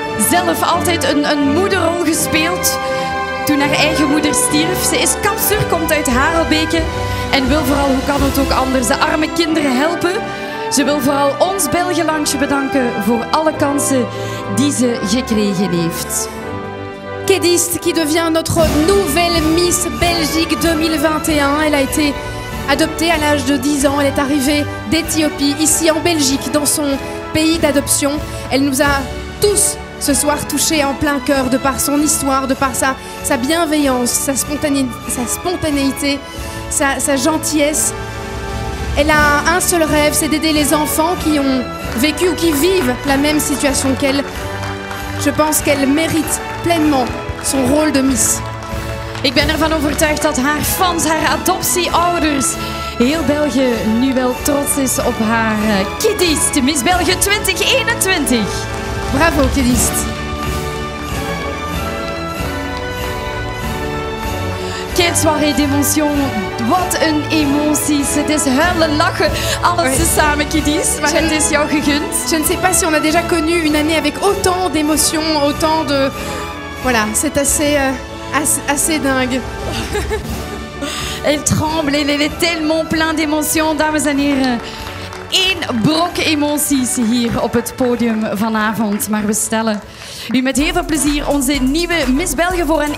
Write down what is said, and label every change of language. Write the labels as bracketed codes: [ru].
[nl] Zelf altijd een moederrol gespeeld toen haar eigen moeder stierf. Ze is kapster, komt uit Harelbeke en wil vooral, hoe kan het ook anders, de arme kinderen helpen. Ze wil vooral ons Belgenlandje bedanken voor alle kansen die ze gekregen heeft. [fr] Cadiz, qui devient notre nouvelle Miss Belgique 2021. Elle a été adoptée à l'âge de 10 ans. Elle est arrivée d'Éthiopie, ici en Belgique, dans son pays d'adoption. Elle nous a tous ce soir touchés en plein cœur de par son histoire, de par sa bienveillance, sa spontanéité, sa gentillesse. Elle a un seul rêve, c'est d'aider les enfants qui ont vécu ou qui vivent la même situation qu'elle. Je pense qu'elle mérite pleinement son rôle de Miss. [nl] Ik ben ervan overtuigd dat haar fans, haar adoptieouders, heel België nu wel trots is op haar Cadiz, de Miss België 2021. Bravo Cadiz. [fr] Quelle soirée d'émotion, [nl] wat een emotie. Het is huilen, lachen, alles te samen Cadiz, maar het is jou gegund. [fr] Je ne sais pas si on a déjà connu une année avec autant d'émotions, autant de... Voilà, c'est assez dingue. Elle tremble, elle est tellement pleine d'émotions, [nl] dames en heren. Eén brok emoties hier op het podium vanavond. Maar we stellen u met heel veel plezier onze nieuwe Miss België voor een...